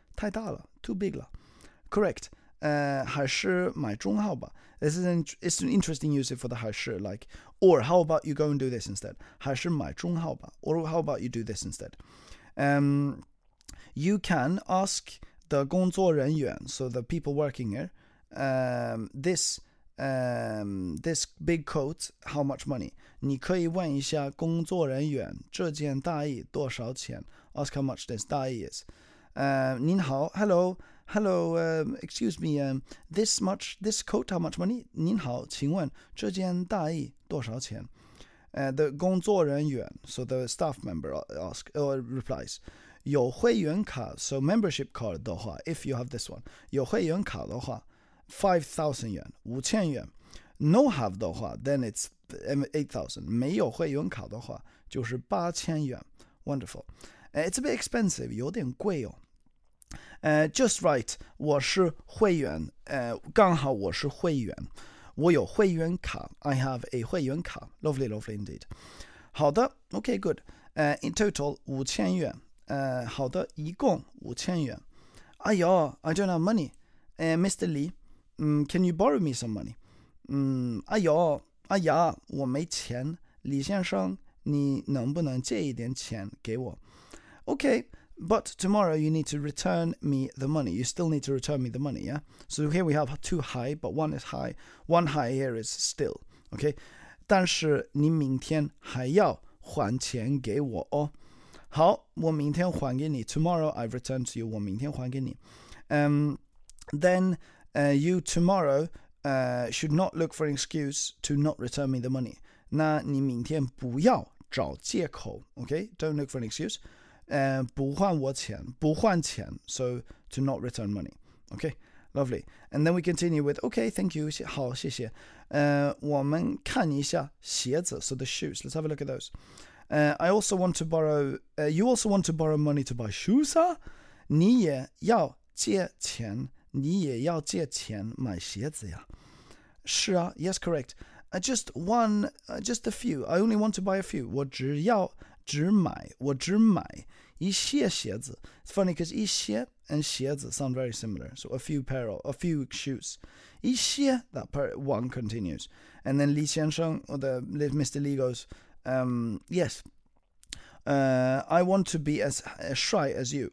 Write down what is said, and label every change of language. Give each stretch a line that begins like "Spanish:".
Chinese: 太大了
English: too big 了 correct,
Chinese: 还是买中号吧
English: this is it's an interesting use for the 还是 like, or how about you go and do this instead, 还是买中号吧 or how about you do this instead. You can ask the 工作人员 so the people working here, this big coat, how much money?
Chinese: 你可以问一下工作人员这件大衣多少钱?
English: Ask how much this 大衣 is. 您好, hello, excuse me, this coat, how much money?
Chinese: 您好,请问这件大衣多少钱?
English: The 工作人员, so the staff member ask, or replies, 有会员卡, so membership card 的话, if you have this one,
Chinese: 有会员卡的话5,000 yuan,
English: 5,000 yuan. No have 的话 then it's 8,000.
Chinese: 没有会员卡的话就是8,000 yuan.
English: Wonderful. It's a bit expensive,
Chinese: 有点贵哦。
English: Just right,
Chinese: 我是会员。刚好我是会员。我有会员卡。
English: I have a 会员卡。Lovely, lovely indeed. 好的 okay, good. In total, 5,000 yuan.
Chinese: 好的一共5,000 yuan.
English: 哎呦 I don't have money. Mr. Lee,can you borrow me some money? 哎呦，哎呀，
Chinese: 我没钱。李先生，你能不能借一点钱给我？
English: Okay, but tomorrow you need to return me the money. You still need to return me the money, yeah? So here we have two high, but one is high. One high here is still, okay?
Chinese: 但是你明天还要还钱给我哦。好，我明天还给你。
English: Tomorrow I return to you.
Chinese: 我明天还给你。
English: Then... you tomorrow should not look for an excuse to not return me the money.
Chinese: 那你明天不要找借口
English: okay? Don't look for an excuse.
Chinese: 不换我钱，不换钱
English: so to not return money. Okay, lovely. And then we continue with, okay, thank you,
Chinese: 好，谢谢。我们看一下鞋子
English: so the shoes, let's have a look at those. I also want to borrow, you also want to borrow money to buy shoes, huh?
Chinese: 你也要借钱你也要借钱买鞋子呀？
English: 是啊 ，Yes, correct. Just a few. I only want to buy a few.
Chinese: 我只要只买我只买一些鞋子。
English: It's funny because 一些 and 鞋子 sound very similar. So a few pair of a few shoes. 一些 that part one continues, and then 李先生 or the Mr. Lee goes, yes. I want to be as 帅 as you.